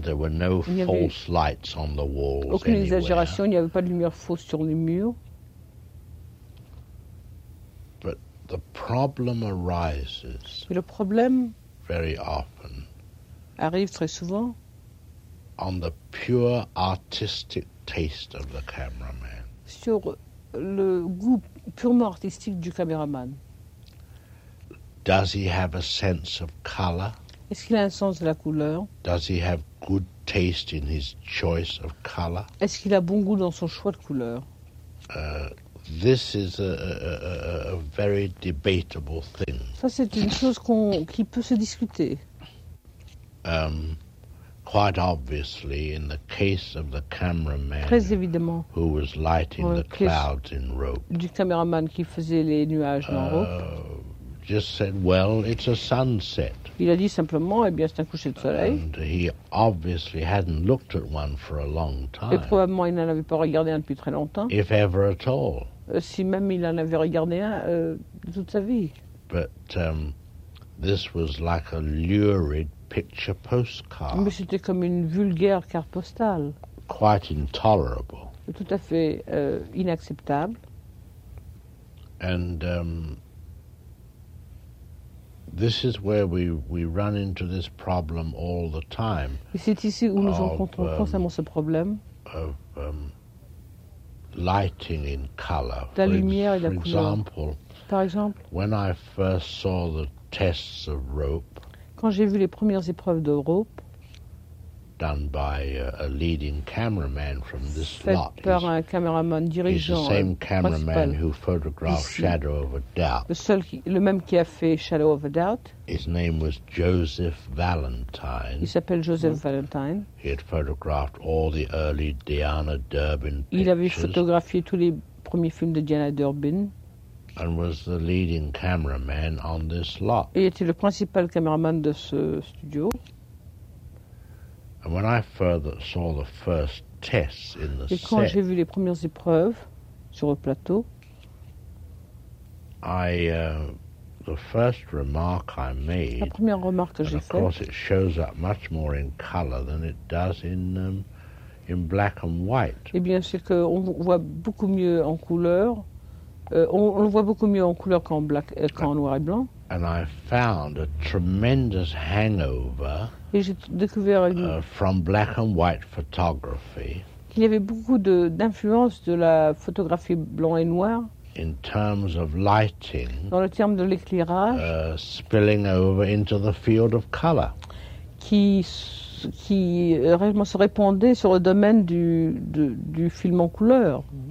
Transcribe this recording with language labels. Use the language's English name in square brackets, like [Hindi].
[English] There were no false lights on the walls. [French] Aucune [English] anywhere. [French] Exagération. Il n'y avait pas de lumière fausse sur les murs. [English] But the problem arises. [French] Mais le problème. [English] Very often. [French] Arrive très souvent. [English] On the pure artistic taste of the cameraman. [French] Sur le goût purement artistique du caméraman. [English] Does he have a sense of color? [French] Est-ce qu'il a un sens de la couleur? [English] Does he have good taste in his choice of color? [French] Est-ce qu'il a bon goût dans son choix de couleur? [English] This is a very debatable thing. [French] Ça, c'est une chose qui peut se discuter. [English] Quite obviously, in the case of the cameraman [French] très évidemment, [English] who was lighting the clouds in rope. [French] Du caméraman qui faisait les nuages en rope. [English] Just said, well, it's a sunset. [French] Il a dit simplement, eh bien, c'est un coucher de soleil. [English] And he obviously hadn't looked at one for a long time. [French] Et probablement, il n'en avait pas regardé un depuis très longtemps. [English] If ever at all. [French] Si même il en avait regardé un toute sa vie. [English] But this was like a lurid picture postcard. [French] Mais c'était comme une vulgaire carte postale. [English] Quite intolerable. [French] Tout à fait inacceptable. [English] And this is where we run into this problem all the time. [French] Et c'est ici où nous rencontrons constamment ce problème. [English] Of lighting in color. [French] La lumière et la couleur. [English] For example, [French] par exemple, [English] when I first saw the tests of rope, [French] quand j'ai vu les premières épreuves de rope, [English] done by a leading cameraman from this lot. [French] Fait par un caméraman dirigeant. [English] He's the same cameraman [French] principal. [English] Who photographed [French] ici. [English] Shadow of a Doubt. [French] Le même qui a fait Shadow of a Doubt. [English] His name was Joseph Valentine. [French] Il s'appelle Joseph Valentine. [English] He had photographed all the early Diana Durbin pictures. [French] Il avait photographié tous les premiers films de Diana Durbin. [English] And was the leading cameraman on this lot. [French] Il était le principal caméraman de ce studio. [English] And when I further saw the first tests in the [French] et quand [English] set, [French] j'ai vu les premières épreuves sur le plateau, [English] I the first remark I made, [French] la première remarque que [English] and [French] j'ai [English] of course it shows up much more in color than it does in black and white. [French] Eh bien, c'est que on voit beaucoup mieux en couleur On le voit beaucoup mieux en couleur qu'en black, qu'en noir et blanc. [English] And I found a tremendous hangover. [French] Et j'ai découvert [English] from black and white photography. [French] Qu'il y avait beaucoup d'influence de la photographie blanc et noir. [English] In terms of lighting. [French] Dans le terme de l'éclairage. [English] Spilling over into the field of color. [French] Qui réellement se répandait sur le domaine du film en couleur.